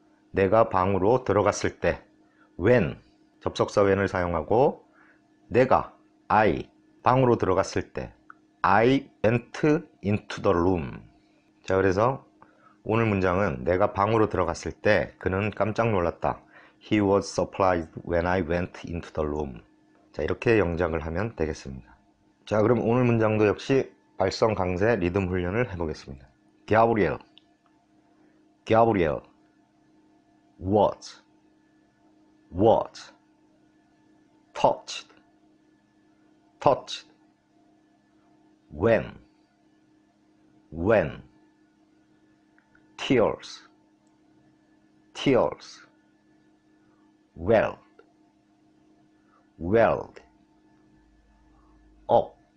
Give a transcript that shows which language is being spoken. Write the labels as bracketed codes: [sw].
[ko] 내가 방으로 들어갔을 때, when, 접속사 when을 사용하고, 내가, I, 방으로 들어갔을 때, [en] I went into the room. [ko] 자, 그래서 오늘 문장은 내가 방으로 들어갔을 때, 그는 깜짝 놀랐다. [en] He was surprised when I went into the room. [ko] 자, 이렇게 영작을 하면 되겠습니다. 자, 그럼 오늘 문장도 역시 발성 강세 리듬 훈련을 해보겠습니다. [en] Gabriel. Gabriel. was touched when tears welled up